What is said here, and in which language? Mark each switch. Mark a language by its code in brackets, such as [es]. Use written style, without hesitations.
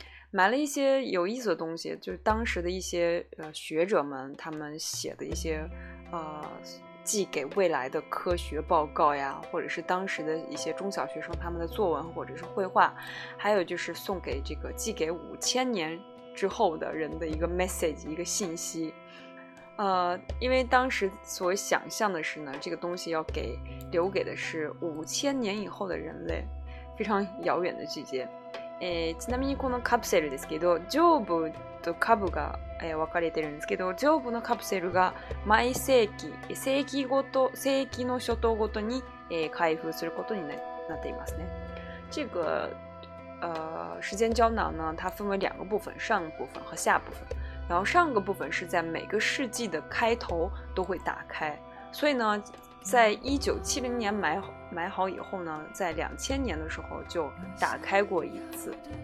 [zh] 买了一些有意思的东西，就是当时的一些学者们他们写的一些寄给未来的科学报告呀，或者是当时的一些中小学生他们的作文或者是绘画，还有就是送给这个寄给5000年之后的人的一个 message， 一个信息。因为当时所想象的是呢，这个东西要给留给的是5000年以后的人类，非常遥远的季节。 [ja] ちなみにこのカプセルですけど、上部と下部が、分かれてるんですけど、上部のカプセルが毎世紀、世紀ごと、世紀の初頭ごとに、開封することに なっていますね。 [zh] 这个时间胶囊呢，它分为两个部分，上部分和下部分。然后上个部分是在每个世纪的开头都会打开，所以呢，在1970年买好以后呢，在2000年的时候就打开过一次。